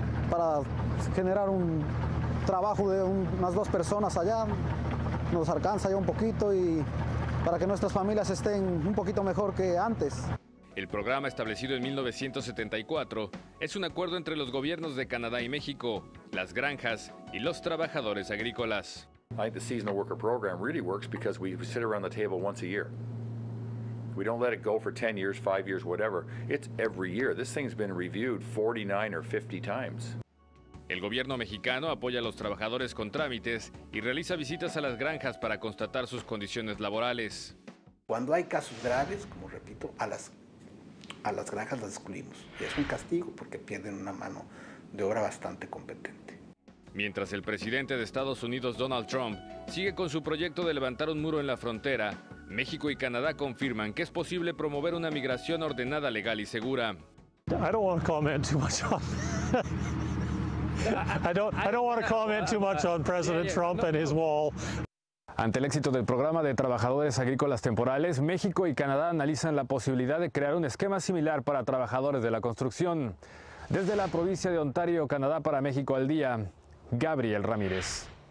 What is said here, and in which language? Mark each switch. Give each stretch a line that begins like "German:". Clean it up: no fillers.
Spanish: Para generar un trabajo de unas dos personas allá, nos alcanza ya un poquito y para que nuestras familias estén un poquito mejor que antes. El programa establecido en 1974 es un acuerdo entre los gobiernos de Canadá y México, las granjas y los trabajadores agrícolas.
English: I think the seasonal worker program really works because we sit around the table once a year. We don't let it go for 10 years, 5 years, whatever. It's every year. This thing's been reviewed 49 or 50 times.
Spanish: El gobierno mexicano apoya a los trabajadores con trámites y realiza visitas a las granjas para constatar sus condiciones laborales. Cuando hay casos graves, como repito, a las granjas las excluimos. Y es un castigo porque pierden una mano de obra bastante competente. Mientras el presidente de Estados Unidos, Donald Trump, sigue con su proyecto de levantar un muro en la frontera, México y Canadá confirman que es posible promover una migración ordenada, legal y segura.
English: I don't want to comment too much on President Trump and his wall.
Spanish: Ante el éxito del programa de trabajadores agrícolas temporales, México y Canadá analizan la posibilidad de crear un esquema similar para trabajadores de la construcción. Desde la provincia de Ontario, Canadá, para México al Día, Gabriel Ramírez.